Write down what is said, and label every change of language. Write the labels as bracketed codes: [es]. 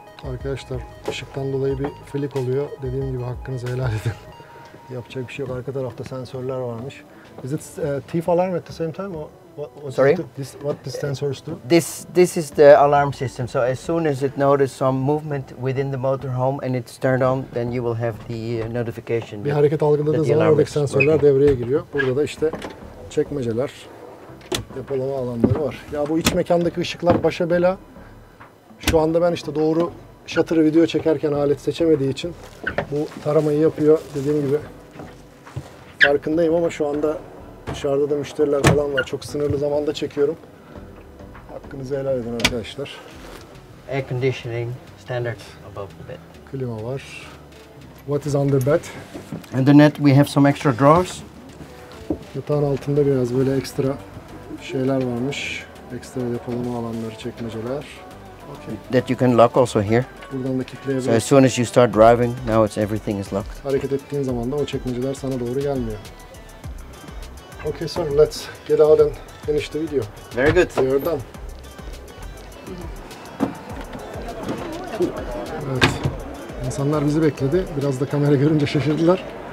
[tr] Arkadaşlar, ışıktan dolayı bir flick oluyor. Dediğim gibi hakkınızı helal edin. Yapacak bir şey yok. Arka tarafta sensörler varmış. [en] Is it thief alarm at the same time? Or what, sorry? What the sensors do? This is the alarm system. So as soon as it notices some movement within the motorhome and it's turned on, then you will have the notification. [tr] Bir hareket algıladığı zaman oradaki sensörler devreye giriyor. Burada da işte çekmeceler, depolama alanları var. Ya bu iç mekandaki ışıklar başa bela. Şu anda ben işte doğru shutter'ı video çekerken alet seçemediği için bu taramayı yapıyor. Dediğim gibi farkındayım ama şu anda dışarıda da müşteriler falan var. Çok sınırlı zamanda çekiyorum. Hakkınızı helal edin arkadaşlar. [en] Air conditioning standard above the bed. [tr] Klima var. [en] What is under bed? Underneath we have some extra drawers. [tr] Yatağın altında biraz böyle ekstra şeyler varmış. Ekstra depolama alanları, çekmeceler. [en] Okay. That you can lock also here. [tr] Buradan da kilitleyebilirsin. [en] So as soon as you start driving, now it's everything is locked. [tr] Hareket ettiğin zaman da o çekmeceler sana doğru gelmiyor. [en] Okay, so let's get out and finish the video. Very good. You're done. [tr] Evet. İnsanlar bizi bekledi. Biraz da kamera görünce şaşırdılar.